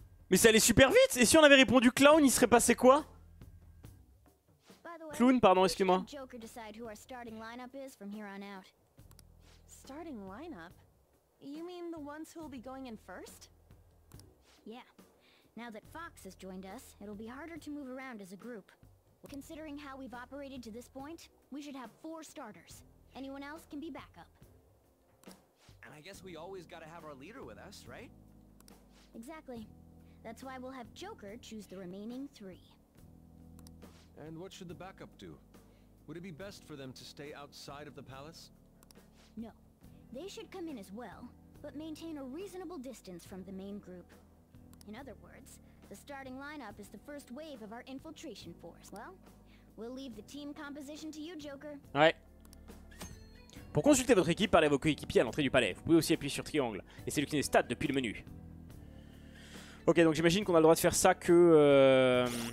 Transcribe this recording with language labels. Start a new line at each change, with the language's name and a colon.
French: Mais ça allait super vite. Et si on avait répondu clown, il serait passé quoi? Clown, pardon, excuse-moi.
English: Joker decide who our starting lineup is from here on out. Starting lineup? You mean the ones who will be going in first? Yeah. Now that Fox has joined us, it'll be harder to move around as a group. Considering how we've operated to this point, we should have four starters. Anyone else can be backup. And I guess we always gotta have our leader with us, right? Exactly. That's why we'll have Joker choose the remaining three. And what should the backup do? Would it be best for them to stay outside of the palace? No. They should come in as well, but maintain a reasonable distance from the main group. In other words, the starting lineup is the first wave of our infiltration force. Well, we'll leave the team composition to you, Joker.
French: Ouais. Pour consulter votre équipe, parlez à vos coéquipiers à l'entrée du palais. Vous pouvez aussi appuyer sur triangle et sélectionner stats depuis le menu. Ok, donc j'imagine qu'on a le droit de faire ça que...